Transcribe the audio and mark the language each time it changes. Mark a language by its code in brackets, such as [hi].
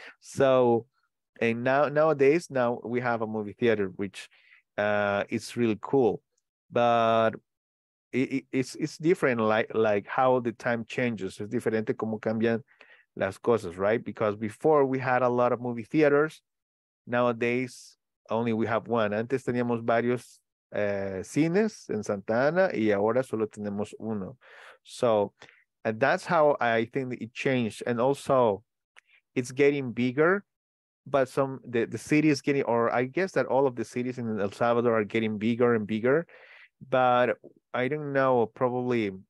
[en] So, and nowadays we have a movie theater, which is really cool. But it's different, like how the time changes. [es] Es diferente como cambian las cosas, [en] right? Because before we had a lot of movie theaters. Nowadays, only we have one. [es] Antes teníamos varios cines en Santa Ana y ahora solo tenemos uno. [en] So, and that's how I think it changed. And also, it's getting bigger, but the city is getting, or I guess that all of the cities in El Salvador are getting bigger and bigger. But I don't know, probably